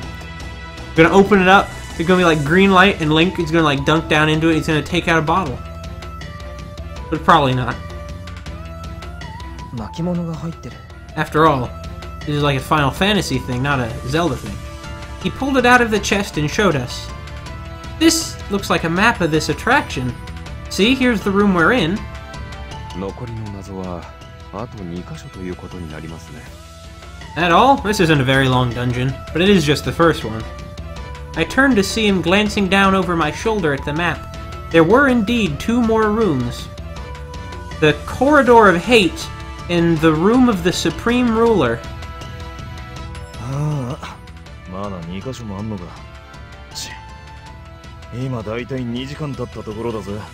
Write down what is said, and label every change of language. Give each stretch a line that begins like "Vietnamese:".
English: I'm gonna open it up, it's gonna be like green light, and Link is gonna like dunk down into it, he's gonna take out a bottle. But probably not. After all, this is like a Final Fantasy thing, not a Zelda thing. He pulled it out of the chest and showed us. This looks like a map of this attraction. See, here's the room we're in.
Japanese: 残りの謎はあと2箇所ということになりますね。
English: At all? This isn't a very long dungeon, but it is just the first one. I turned to see him glancing down over my shoulder at the map. There were indeed two more rooms. The Corridor of Hate and the Room of the Supreme Ruler.
Japanese: まだ2箇所もあんのか。今だいたい2時間経ったところだぜ。